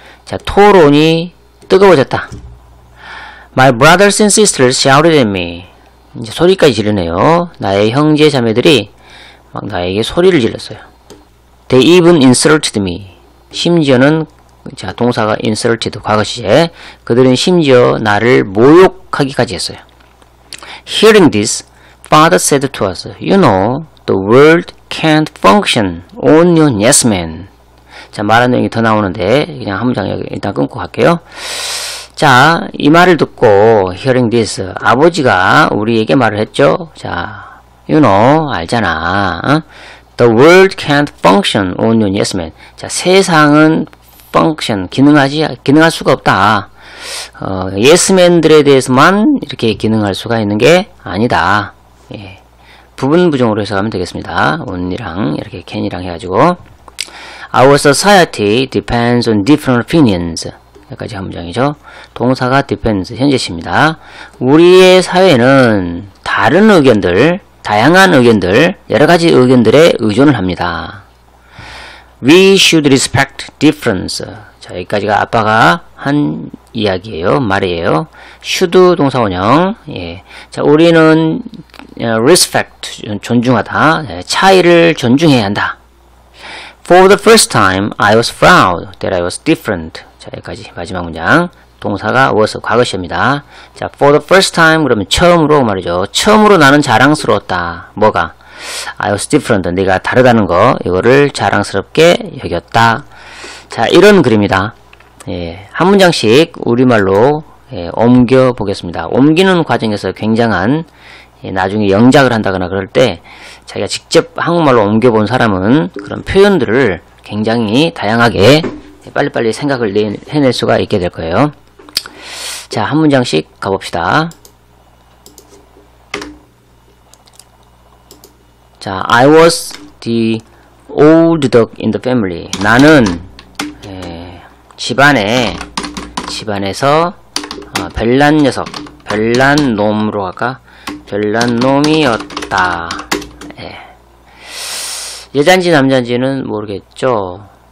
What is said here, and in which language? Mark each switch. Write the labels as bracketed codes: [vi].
[ko] 자, 토론이 뜨거워졌다. [en] My brothers and sisters shouted at me. [ko] 이제 소리까지 지르네요. 나의 형제 자매들이 막 나에게 소리를 질렀어요. [en] They even insulted me. [ko] 심지어는 자, 동사가 [en] insulted, [ko] 과거시제. 그들은 심지어 나를 모욕하기까지 했어요. [en] Hearing this, father said to us, you know, the world can't function on your yes man. [ko] 자, 말하는 내용이 더 나오는데 그냥 한 문장 일단 끊고 갈게요. 자, 이 말을 듣고 [en] hearing this, [ko] 아버지가 우리에게 말을 했죠. 자, [en] you know, [ko] 알잖아. 어? [en] The world can't function on your yes man. [ko] 자, 세상은 function, 기능할 수가 없다. 예스맨들에 대해서만 이렇게 기능할 수가 있는 게 아니다. 예. 부분 부정으로 해석하면 되겠습니다. 언니랑 이렇게 캔이랑 해가지고. [en] Our society depends on different opinions. [ko] 여기까지 한 문장이죠. 동사가 depends, 현재시입니다. 우리의 사회는 다른 의견들, 다양한 의견들, 여러 가지 의견들에 의존을 합니다. [en] We should respect difference. [ko] 자, 여기까지가 아빠가 한 이야기예요. 말이에요. should 동사 원형. 예. 자, 우리는 respect, 존중하다. 예, 차이를 존중해야 한다. [en] For the first time, I was proud that I was different. [ko] 자, 여기까지 마지막 문장. 동사가 was, 과거시입니다. 자, [en] for the first time, [ko] 그러면 처음으로 말이죠. 처음으로 나는 자랑스러웠다. 뭐가? [en] I was different. [ko] 네가 다르다는 거, 이거를 자랑스럽게 여겼다. 자, 이런 글입니다. 예, 한 문장씩 우리말로 예, 옮겨 보겠습니다. 옮기는 과정에서 굉장한 나중에 영작을 한다거나 그럴 때 자기가 직접 한국말로 옮겨본 사람은 그런 표현들을 굉장히 다양하게 빨리빨리 생각을 해낼 수가 있게 될 거예요. 자, 한 문장씩 가봅시다. 자, [en] I was the old dog in the family. [ko] 나는 집안에서 별난 녀석, 별난 놈으로 할까? 별난 놈이었다. 예. 여잔지 남잔지는 모르겠죠.